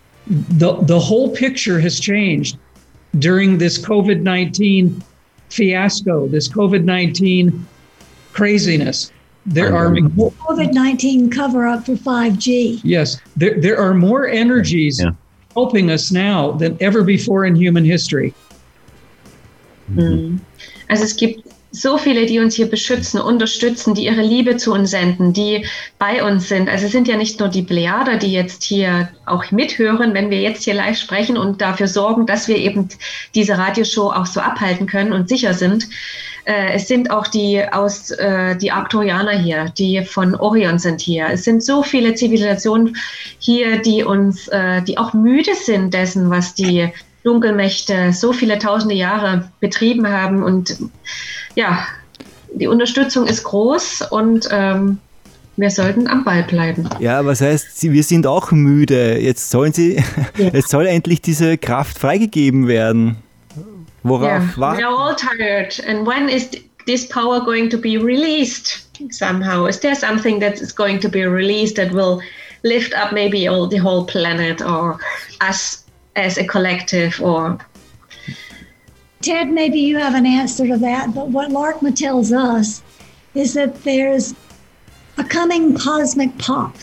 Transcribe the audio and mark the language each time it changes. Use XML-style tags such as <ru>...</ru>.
<en>The whole picture has changed during this COVID-19 fiasco, this COVID-19 craziness. There are COVID-19 cover up for 5G. Yes, there are more energies helping us now than ever before in human history.</en> <de>Also es gibt so viele, die uns hier beschützen, unterstützen, die ihre Liebe zu uns senden, die bei uns sind. Also es sind ja nicht nur die Plejader, die jetzt hier auch mithören, wenn wir jetzt hier live sprechen und dafür sorgen, dass wir eben diese Radioshow auch so abhalten können und sicher sind. Es sind auch die aus die Arcturianer hier, die von Orion sind hier. Es sind so viele Zivilisationen hier, die uns, die auch müde sind dessen, was die Dunkelmächte so viele tausende Jahre betrieben haben. Und ja, die Unterstützung ist groß und wir sollten am Ball bleiben. Ja, was heißt, wir sind auch müde. Jetzt soll endlich diese Kraft freigegeben werden. Worauf warten?</de> <en>We are all tired. And when is this power going to be released somehow? Is there something that is going to be released that will lift up maybe all the whole planet or us as a collective or... Ted, maybe you have an answer to that, but what Larkma tells us is that there's a coming cosmic pop.</en>